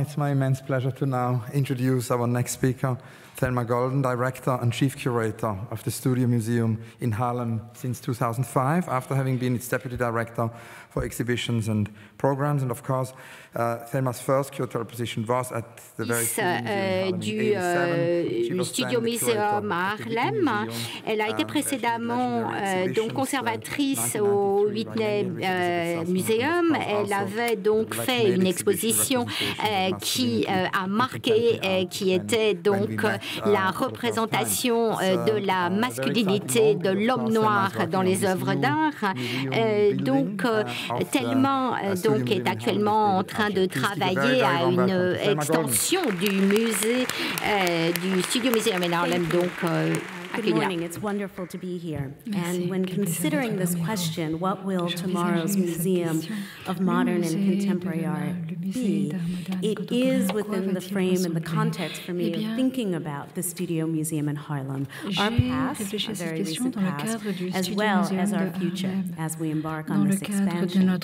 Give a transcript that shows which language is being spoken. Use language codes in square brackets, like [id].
[en] It's my immense pleasure to now introduce our next speaker, Thelma Golden, director and chief curator of the Studio Museum in Harlem since 2005, after having been its deputy director for exhibitions and programs. And of course, Thelma's first curatorial position was at the very Studio Museum in Harlem. [fr] Du Studio Museum à Harlem. Elle a été précédemment donc conservatrice au Whitney Museum. Elle avait donc fait une exposition qui a marqué, qui était donc la représentation de la masculinité de l'homme noir dans les œuvres d'art. Donc, tellement donc est actuellement en train de travailler à une extension du musée du Studio Museum in Harlem. Donc, [en] good morning. It's wonderful to be here. And when considering this question, what will tomorrow's Museum of Modern and Contemporary Art be? It is within the frame and the context for me of thinking about the Studio Museum in Harlem, our past, our very recent past, as well as our future as we embark on this expansion.